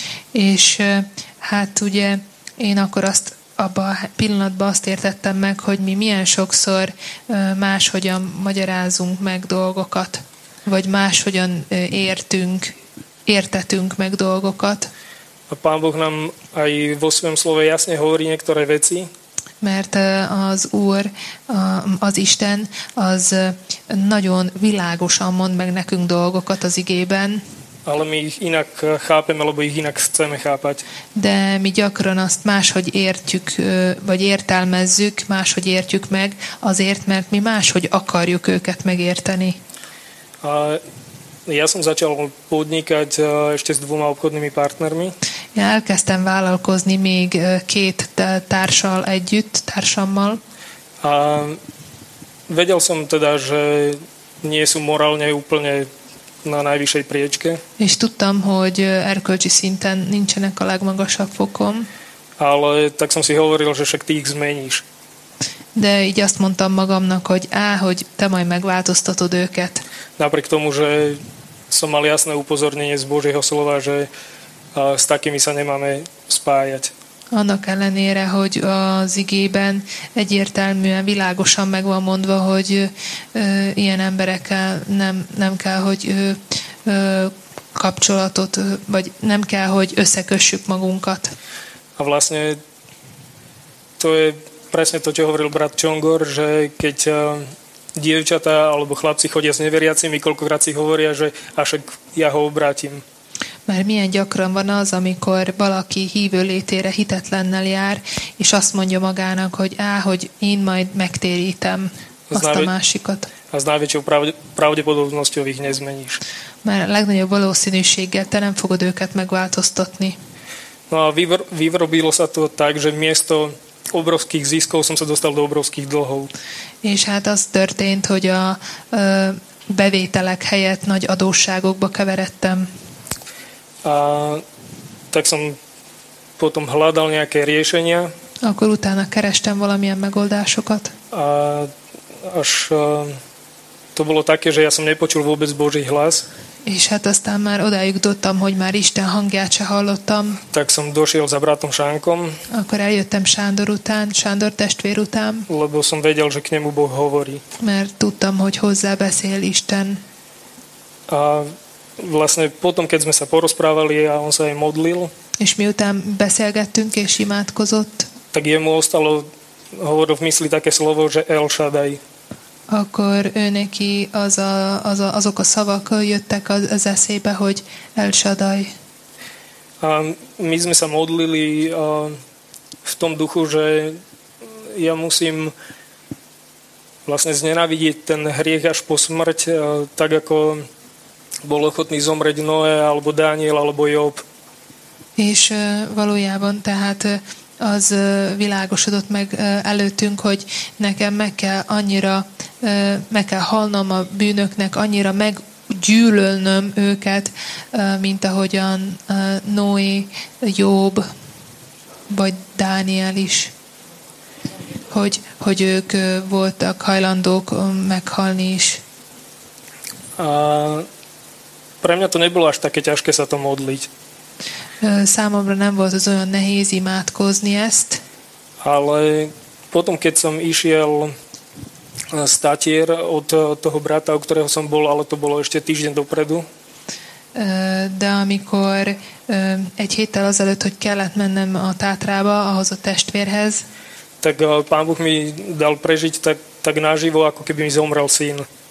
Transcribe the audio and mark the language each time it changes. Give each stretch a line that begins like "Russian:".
Hungarian: És hát ugye én akkor azt abban a pillanatban azt értettem meg, hogy mi milyen sokszor máshogyan magyarázunk meg dolgokat, vagy máshogyan értünk. Értetünk meg dolgokat.
Slovak: A Pán Boh nám aj vo svojom slove jasne hovorí niektoré veci.
Hungarian: Mert az Úr, az Isten, az nagyon világosan mond meg nekünk dolgokat az igében.
Slovak: Ale my ich inak chápeme, lebo ich inak chceme chápať.
Hungarian: De mi gyakran azt máshogy értjük, vagy értelmezzük, máshogy értjük meg, azért, mert mi máshogy akarjuk őket megérteni.
Slovak: A ja som začal podnikať ešte s dvoma obchodnými partnermi.
Hungarian: Ja elkezdtem vállalkozni még két társal együtt, társammal.
Slovak: A vedel som teda, že nie sú morálne úplne na najvyššej priečke.
Hungarian: És tudtam, hogy erkölcsi szinten nincsenek a legmagasabb fokom.
Slovak: Ale tak som si hovoril, že však ty ich zmeníš.
Hungarian: De így azt mondtam magamnak, hogy hogy te majd megváltoztatod őket.
Slovak: Napriek tomu, že som mal jasné upozornenie z Božieho slova, že s takými sa nemáme spájať.
Hungarian: Annak ellenére, hogy az igében egyértelműen, világosan meg van mondva, hogy ilyen emberekkel nem kell, hogy kapcsolatot, vagy nem kell, hogy összekössük magunkat.
Slovak: A vlastne to je presne to, čo hovoril brat Čongor, že keď dievčatá alebo chlapci chodia s neveriacimi, koľkokrát si hovoria, že až ja ho obrátim.
Hungarian: Mert milyen gyakran van az, amikor valaki hívő létére hitetlennel jár, és azt mondja magának, hogy hogy én majd megtérítem azt a másikat.
Slovak: Az najväčšou pravdepodobnosťou ich nezmeníš.
Hungarian: Mert a legnagyobb valószínűséggel te nem fogod őket megváltoztatni.
Slovak: No a vyrobilo sa to tak, že miesto obrovských ziskov som sa dostal do obrovských dlhov.
Hungarian: És hát az történt, hogy a bevételek helyett nagy adósságokba keveredtem.
Slovak: A tak som potom hľadal nejaké riešenia.
Hungarian: Akkor utána kerestem valamilyen megoldásokat.
Slovak: A až to bolo také, že ja som nepočul vôbec Boží hlas.
Hungarian: És hát aztán már odáig dottam, hogy már Isten hangját se hallottam.
Slovak: Tak som došiel za bratom Sánkom.
Hungarian: Akkor eljöttem Sándor után, Sándor testvér után.
Slovak: Lebo som vedel, že k nemu Boh hovorí.
Hungarian: Mert tudtam, hogy hozzá beszél Isten.
Slovak: A vlastne potom, keď sme sa porozprávali a on sa aj modlil.
Hungarian: És miután beszélgettünk és imádkozott.
Slovak: Tak jemu ostalo hovoril v mysli také slovo, že El Shaddai.
Hungarian: Akkor ő neki azok a szavak jöttek az eszébe, hogy El Shaddai.
Slovak: A my sme sa modlili v tom duchu, že ja musím vlastne znenávidieť ten hriech až po smrť, tak ako bol ochotný zomrieť Noé, alebo Dániel, alebo Job.
Hungarian: És valójában tehát az világosodott meg előttünk, hogy nekem meg kell halnom a bűnöknek, annyira meggyűlölnöm őket, mint ahogyan Noé, Job, vagy Dániel is, hogy ők voltak hajlandók meghalni is.
Slovak: Pre mňa to nebolo až také ťažké sa to modliť.
Hungarian: Számomra nem volt az olyan nehéz imádkozni ezt.
Slovak: Ale potom, keď som išiel z Tatier od toho brata, u ktorého som bol, ale to bolo ešte týždeň dopredu.
Hungarian: De amikor egy héttel azelőtt, hogy kellett mennem a Tátrába, ahhoz a testvérhez.
Slovak: Tak Pán Boh mi dal prežiť tak naživo, ako keby mi zomrel syn.